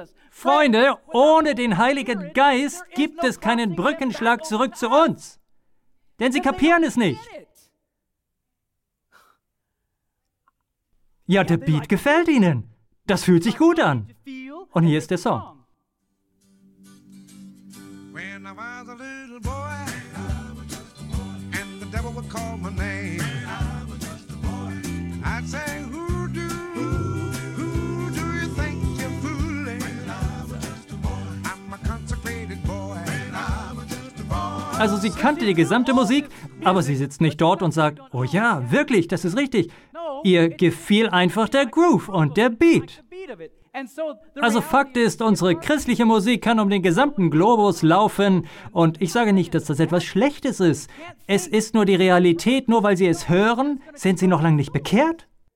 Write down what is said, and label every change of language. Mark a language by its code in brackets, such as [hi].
[de] Freunde, ohne den Heiligen Geist gibt es keinen Brückenschlag zurück zu uns. Denn sie kapieren es nicht. Ja, der Beat gefällt ihnen. Das fühlt sich gut an. Und hier ist der Song. [en] When I was a little boy, and the devil would call my name, when I was just a boy, I'd say, who do you think you're fooling? When I was just a boy, I'm a consecrated boy, when I was just a boy. [de] Also sie kannte die gesamte Musik, aber sie sitzt nicht dort und sagt: Oh ja, wirklich, das ist richtig. Ihr gefiel einfach der Groove und der Beat. Also Fakt ist, unsere christliche Musik kann um den gesamten Globus laufen. Und ich sage nicht, dass das etwas Schlechtes ist. Es ist nur die Realität, nur weil sie es hören, sind sie noch lange nicht bekehrt.